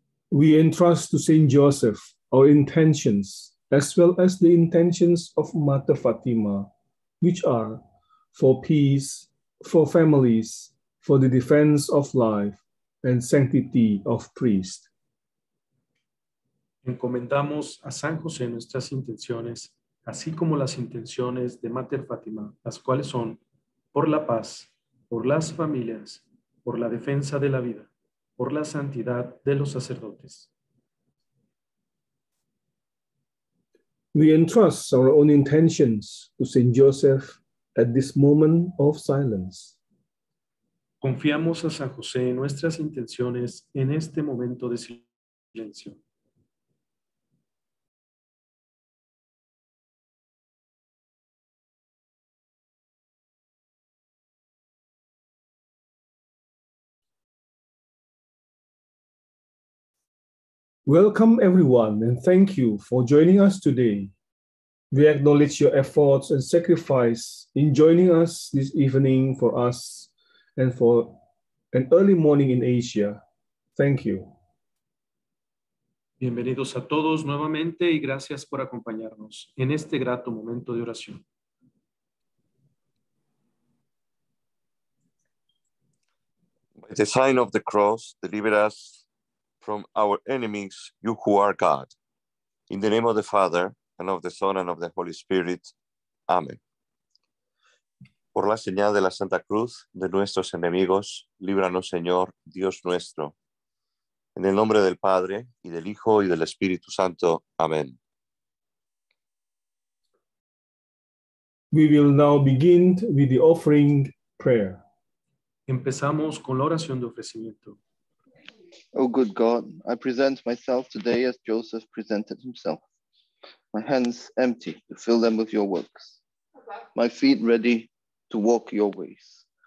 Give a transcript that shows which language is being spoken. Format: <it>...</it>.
<en>We entrust to Saint Joseph our intentions, as well as the intentions of Mother Fatima, which are for peace, for families, for the defense of life and sanctity of priests.</en> <es>Encomendamos a San José nuestras intenciones, así como las intenciones de Mater Fátima, las cuales son por la paz, por las familias, por la defensa de la vida, por la santidad de los sacerdotes.</es> <en>We entrust our own intentions to Saint Joseph at this moment of silence.</en> <es>Confiamos a San José nuestras intenciones en este momento de silencio.</es> <en>Welcome everyone and thank you for joining us today. We acknowledge your efforts and sacrifice in joining us this evening for us and for an early morning in Asia. Thank you.</en> <es>Bienvenidos a todos nuevamente y gracias por acompañarnos en este grato momento de oración.</es> <en>By the sign of the cross, deliver us from our enemies, you who are God. In the name of the Father, and of the Son, and of the Holy Spirit. Amen.</en> <es>Por la señal de la Santa Cruz, de nuestros enemigos, líbranos, Señor, Dios nuestro. En el nombre del Padre, y del Hijo, y del Espíritu Santo. Amen.</es> <en>We will now begin with the offering prayer.</en> <es>Empezamos con la oración de ofrecimiento.</es> <en>O good God, I present myself today as Joseph presented himself. My hands empty to fill them with your works. My feet ready to walk your ways.</en>